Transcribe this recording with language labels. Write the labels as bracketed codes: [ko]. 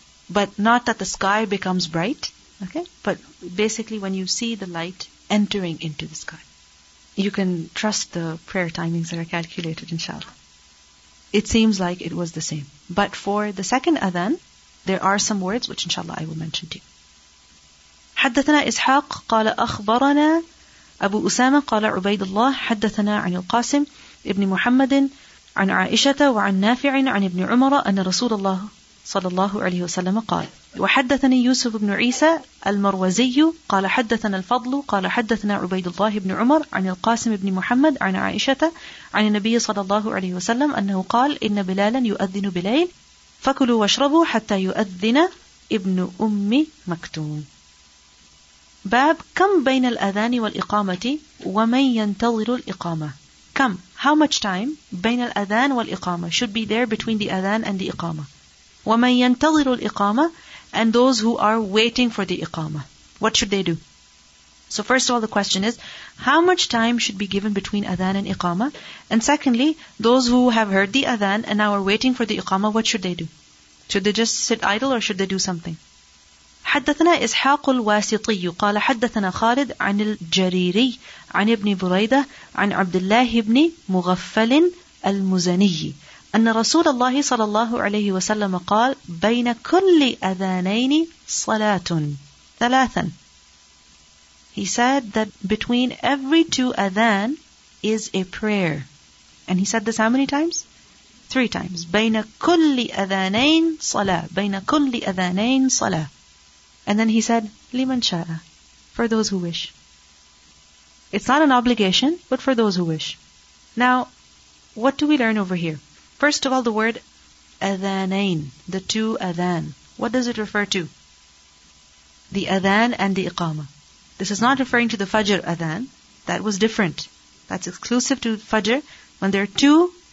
[en] But not that the sky becomes bright. Okay, but basically when you see the light entering into the sky, you can trust the prayer timings that are calculated, inshallah. It seems like it was the same. But for the second adhan, there are some words which inshallah I will mention to you. [ar] حدثنا إسحاق قال أخبرنا أبو أسامة قال عبيد الله حدثنا عن القاسم ابن محمد عن عائشة وعن نافع عن ابن عمر أن رسول الله صلى الله عليه وسلم قال وحدثني يوسف بن عيسى المروزي قال حدثنا الفضل قال حدثنا عبيد الله بن عمر عن القاسم بن محمد عن عائشة عن النبي صلى الله عليه وسلم أنه قال إن بلالا يؤذن بليل فكلوا واشربوا حتى يؤذن ابن أم مكتوم باب كم بين الأذان والإقامة ومن ينتظر الإقامة كم [en] how much time [ar] بين الأذان والإقامة [en] should be there between the أذان and the إقامة [ar] وَمَنْ يَنْتَظِرُ الْإِقَامَةِ [en] and those who are waiting for the iqamah. What should they do? So first of all, the question is, how much time should be given between adhan and iqamah? And secondly, those who have heard the adhan and now are waiting for the iqamah, what should they do? Should they just sit idle or should they do something? [ar] حَدَّثَنَا إِسْحَاقُ الْوَاسِطِيُّ قَالَ حَدَّثَنَا خَالِدْ عَنِ الْجَرِيرِيِّ عَنِ ابْنِ بُرَيْدَةِ عَنْ عَبْدِ اللَّهِ ابْنِ مُغَفَّلٍ الْمُزَنِيِّ أن رسول الله صلى الله عليه وسلم قال بين كل أذانين صلاة ثلاثا [en] He said that between every two أذان is a prayer. And he said this how many times? Three times. [ar] بين كل أذانين صلاة بين كل أذانين صلاة [en] And then he said [ar] لمن شاء [en] For those who wish. It's not an obligation but for those who wish. Now, what do we learn over here? First of all, the word adhanain, the two adhan. What does it refer to? The adhan and the iqamah. This is not referring to the fajr adhan. That was different. That's exclusive to fajr when there are two